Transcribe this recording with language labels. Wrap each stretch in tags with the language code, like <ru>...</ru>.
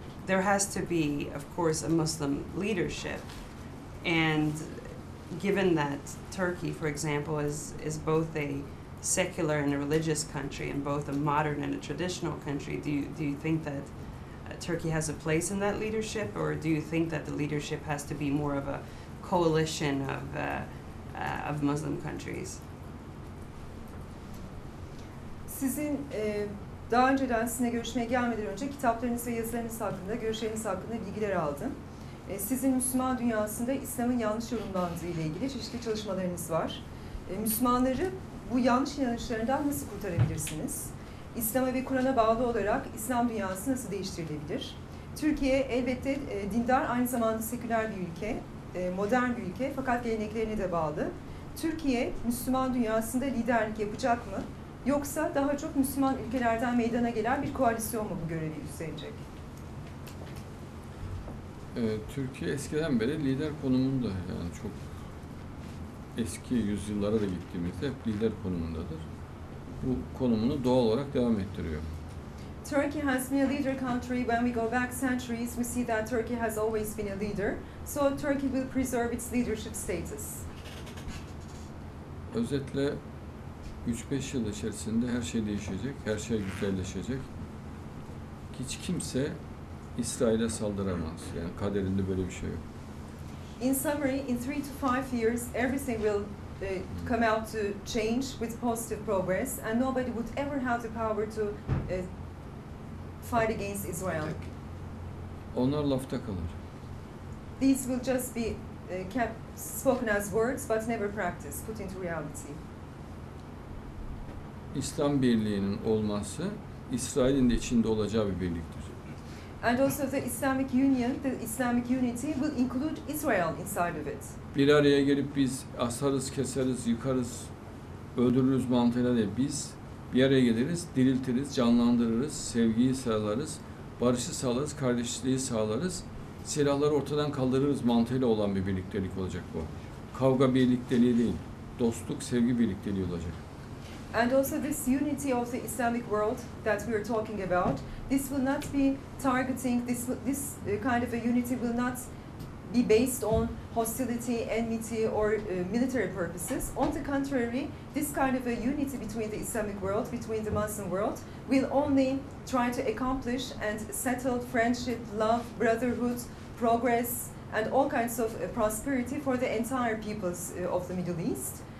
<en>There has to be, of course, a Muslim leadership. And given that Turkey, for example, is both a secular and a religious country and both a modern and a traditional country, do you think that Turkey has a place in that leadership, or do you think that the leadership has to be more of a coalition of Muslim countries?</en> <tr>Sizin daha önceden sizinle görüşmeye gelmeden önce kitaplarınız ve yazılarınız hakkında, görüşleriniz hakkında bilgiler aldım. Sizin Müslüman dünyasında İslam'ın yanlış yorumlandığı ile ilgili çeşitli çalışmalarınız var. Müslümanları bu yanlış inanışlarından nasıl kurtarabilirsiniz? İslam'a ve Kur'an'a bağlı olarak İslam dünyası nasıl değiştirilebilir? Türkiye elbette dindar, aynı zamanda seküler bir ülke, modern bir ülke, fakat geleneklerine de bağlı. Türkiye Müslüman dünyasında liderlik yapacak mı? Yoksa daha çok Müslüman ülkelerden meydana gelen bir koalisyon mu bu görevi üstlenecek? Türkiye eskiden beri lider konumunda, yani çok eski yüzyıllara da gittiğimizde hep lider konumundadır. Bu konumunu doğal olarak devam ettiriyor.</tr> <en>Turkey has been a leader country. When we go back centuries, we see that Turkey has always been a leader. So Turkey will preserve its leadership status.</en> <tr>Özetle 3-5 yıl içerisinde her şey değişecek, her şey güzelleşecek. Hiç kimse İsrail'e saldıramaz. Yani kaderinde böyle bir şey yok.</tr> <en>In summary, in 3 to 5 years, everything will come out to change with positive progress, and nobody would ever have the power to fight against Israel.</en> <tr>Onlar lafta kalır.</tr> <en>These will just be kept spoken as words, but never practiced, put into reality.</en> <tr>İslam birliğinin olması, İsrail'in de içinde olacağı bir birliktir.</tr> <en>And also the Islamic Union, the Islamic unity will include Israel inside of it.</en> <tr>Bir araya gelip biz asarız, keseriz, yıkarız, öldürürüz mantığıyla değil. Biz bir araya geliriz, diriltiriz, canlandırırız, sevgiyi sağlarız, barışı sağlarız, kardeşliği sağlarız, silahları ortadan kaldırırız mantığıyla olan bir birliktelik olacak bu. Kavga birlikteliği değil, dostluk, sevgi birlikteliği olacak.</tr> <en>And also this unity of the Islamic world that we are talking about, this will not be targeting, this kind of a unity will not be based on hostility, enmity, or military purposes. On the contrary, this kind of a unity between the Islamic world, between the Muslim world, will only try to accomplish and settle friendship, love, brotherhood, progress, and all kinds of prosperity for the entire peoples of the Middle East.</en>